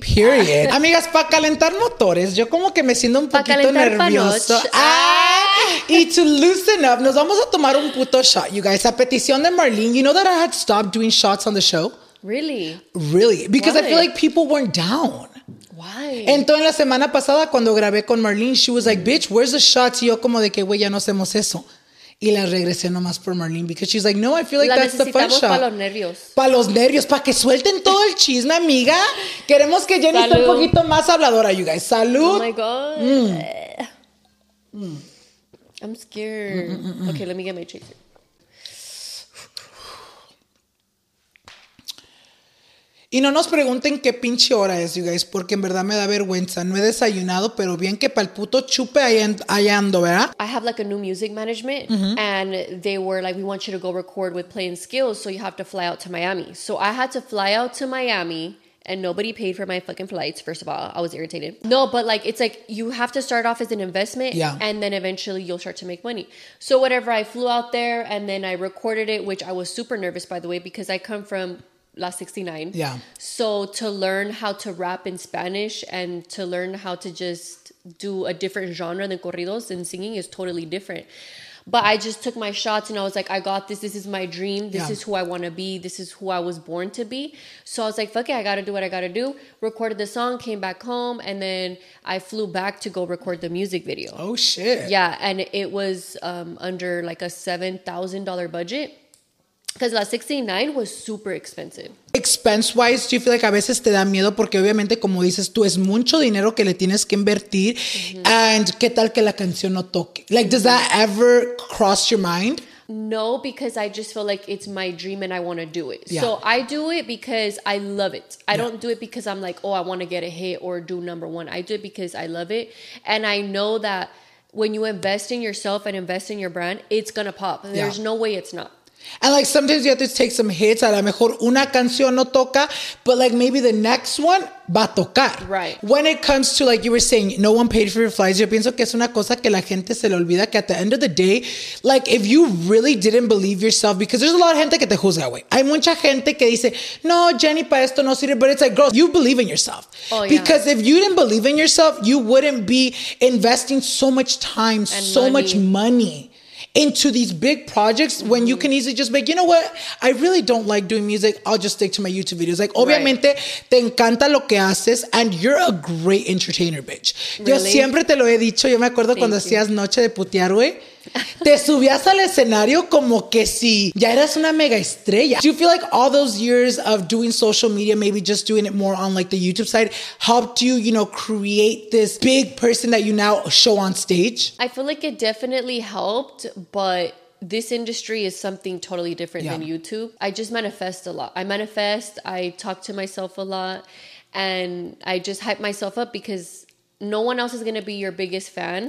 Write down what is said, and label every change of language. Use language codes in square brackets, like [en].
[en] Period. [es] Amigas, para calentar motores, yo como que me siento un poquito nervioso. [en] Y to loosen up, [es] nos vamos a tomar un puto shot, [en] you guys. [es] A petición de Marlene, [en] you know that I had stopped doing shots on the show? Really? Really. Because I feel like people weren't down. Why? [es] Entonces, la semana pasada, cuando grabé con Marlene, [en] she was like, bitch, where's the shots? [es] Y yo como de que, güey, ya no hacemos eso. Y la regresé nomás por Marlene [en] because she's like, no, I feel like [es] la [en] that's the fun shot. [es] Para los nervios. Para los nervios, para que suelten todo el chisme, amiga. Queremos que Jenny esté un poquito más habladora, [en] you guys. [es] Salud. [en] Oh, my God. Mm. I'm scared. Okay, let me get my chaser. [es] Y no nos pregunten qué pinche hora es, [en] you guys, [es] porque en verdad me da vergüenza. No he desayunado, pero bien que pa'l puto chupe ahí ando, ¿verdad? [en] I have like a new music management, and they were like, we want you to go record with Playing Skills, so you have to fly out to Miami. So I had to fly out to Miami, and nobody paid for my fucking flights, first of all. I was irritated. No, but like, it's like, you have to start off as an investment, and then eventually you'll start to make money. So whatever, I flew out there, and then I recorded it, which I was super nervous, by the way, because I come from La 69. Yeah. So to learn how to rap in Spanish and to learn how to just do a different genre than corridos and singing is totally different. But I just took my shots and I was like, I got this. This is my dream. This is who I want to be. This is who I was born to be. So I was like, fuck it. I got to do what I got to do. Recorded the song, came back home. And then I flew back to go record the music video. Oh, shit. Yeah. And it was under like a $7,000 budget. Because La 69 was super expensive. Expense-wise, do you feel like [es] a veces te da miedo? Porque obviamente, como dices tú, es mucho dinero que le tienes que invertir. Mm-hmm. And ¿qué tal que la canción no toque? [en] Like, does that ever cross your mind? No, because I just feel like it's my dream and I want to do it. Yeah. So I do it because I love it. I don't do it because I'm like, oh, I want to get a hit or do number one. I do it because I love it. And I know that when you invest in yourself and invest in your brand, it's going to pop. There's no way it's not. And like sometimes you have to take some hits. [es] A lo mejor una canción no toca, [en] but like maybe the next one [es] va a tocar. [en] Right. When it comes to like you were saying, no one paid for your flights. [es] Yo pienso que es una cosa que la gente se le olvida que [en] at the end of the day, like if you really didn't believe yourself, because there's a lot of [es] gente que te juzga, [en] güey. [es] Hay mucha gente que dice, no, Jenny, pa esto no sirve. [en] But it's like, girl, you believe in yourself. Oh, yeah. Because if you didn't believe in yourself, you wouldn't be investing so much time, and so money. Much money. Into these big projects when you can easily just be like, you know what? I really don't like doing music. I'll just stick to my YouTube videos. Like, obviamente, right. [es] te encanta lo que haces [en] and you're a great entertainer, bitch. Really? [es] Yo siempre te lo he dicho. Yo me acuerdo [en] Thank [es] cuando [en] you. [es] Hacías Noche de Putear, güey. Te subías al escenario como que si ya eras una mega estrella. [en] Do you feel like all those years of doing social media, maybe just doing it more on like the YouTube side, helped you, you know, create this big person that you now show on stage? I feel like it definitely helped, but this industry is something totally different yeah. than YouTube. I just manifest a lot. I manifest, I talk to myself a lot, and I just hype myself up because no one else is going to be your biggest fan